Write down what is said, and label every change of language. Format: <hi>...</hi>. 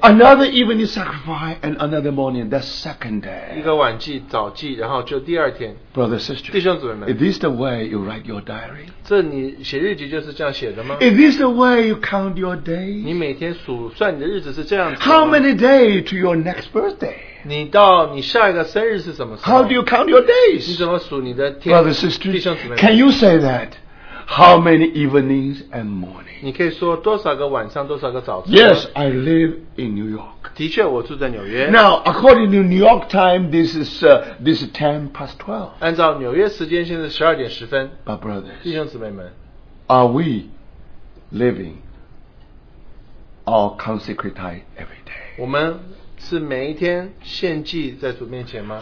<en>another evening sacrifice and another morning, that's second day.</en> <zh>一个晚祭, 早祭, 然后就第二天,</zh> <en>brother, sister,</en> <zh>弟兄姊妹们,</zh> <en>is this the way you write your diary?</en> <zh>这你写日记就是这样写的吗?</zh> <en>Is this the way you count your days?</en> <zh>你每天数算你的日子是这样子吗?</zh> <en>How many days to your next birthday?</en> <zh>你到你下一个生日是什么时候?</zh> <en>How do you count your days?</en> <zh>你怎么数你的天?</zh> <en>Brother, sister,</en> <zh>弟兄姊妹们,</zh> <en>can you say that? How many evenings and mornings? Yes, I live in New York.</en> <zh>的确我住在纽约.</zh> <en>Now, according to New York time, this is 10 past 12.</en> <zh>按照纽约时间现在12点10分.</zh> <en>But brothers,</en> <zh>弟兄姊妹们,</zh> <en>are we living our consecrated time every day?</en> <zh>我们是每一天献祭在主面前吗?</zh>